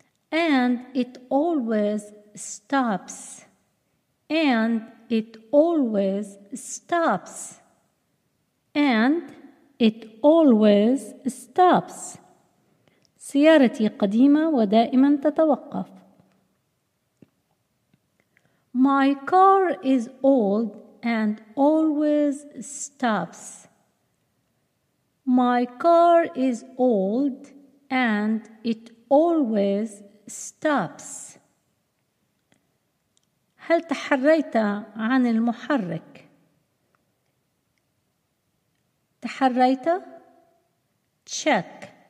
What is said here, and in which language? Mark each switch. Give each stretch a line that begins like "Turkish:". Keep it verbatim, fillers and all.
English: And it always stops. And it always stops. And it always stops.
Arabic: سيارتي قديمة ودائما تتوقف.
English: My car is old and always stops. My car is old and it always stops.
Arabic: هل تحريت عن المحرك؟ تحريت؟ Check.